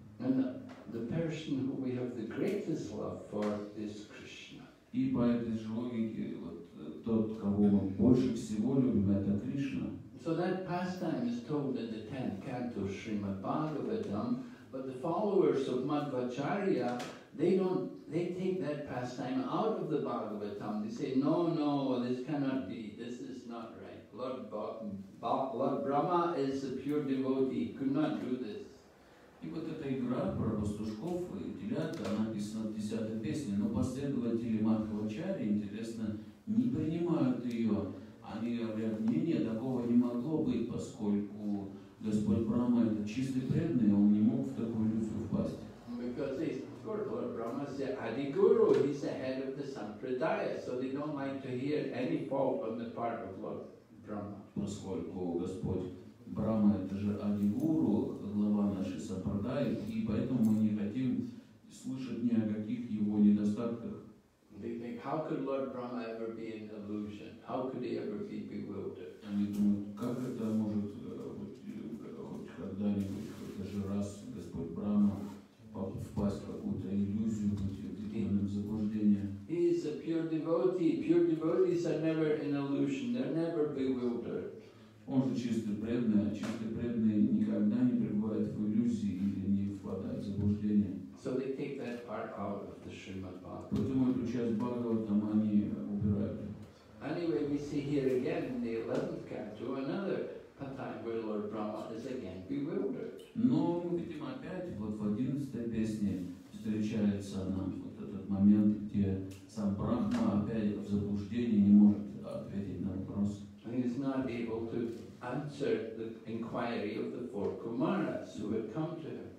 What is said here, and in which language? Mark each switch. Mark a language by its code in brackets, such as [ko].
[en] And the person who we have the greatest love for is Krishna. [ru] И по этой же логике, вот тот, кого мы больше всего любим, это Кришна. [en] So that pastime is told in the 10th canto of Srimad Bhagavatam, but the followers of Madhvacharya, they take that pastime out of the Bhagavatam. They say, no, no, this cannot be, this is not right. Lord Brahma is a pure devotee, could not do this. [ru] И вот эта игра про пастушков и телята, она написана в 10-й песне, но последователи Мадхвачарьи, интересно, не принимают ее. Они говорят, не-не, такого не могло быть, поскольку Господь Брама это чистый преданный, он не мог в такую иллюзию впасть. [en] Because Lord Brahma is the Adiguru, he's the head of the Sampradaya, so they don't like to hear any fault on the part of Lord Brahma. [ru] Поскольку Господь Брама это же Адигуру, глава нашей Сампрадаи, и поэтому мы не хотим слышать ни о каких его недостатках. [en] They think, how could Lord Brahma ever be an illusion? How could he ever be bewildered? [ru] Они думают, как это может хоть когда-нибудь, хоть даже раз Господь Брама впасть в какую-то иллюзию, быть определенным заблуждением. [en] He is a pure devotee. Pure devotees are never in illusion. They're never bewildered. [ru] Он же чистый преданный, а чистый преданный никогда не пребывает в иллюзии или не впадает в заблуждение. [en] So they take that part out of the Srimad Bhagavatam. [ru] Поэтому эту часть Бхагаватам они убирают. [en] Anyway, we see here again in the 11th canto another time where Lord Brahma is again bewildered. [ru] Но мы видим опять, вот в 11-й песне встречается нам вот этот момент, где сам Брахма опять в заблуждении не может ответить на вопрос. [en] He is not able to answer the inquiry of the four Kumaras who have come to him.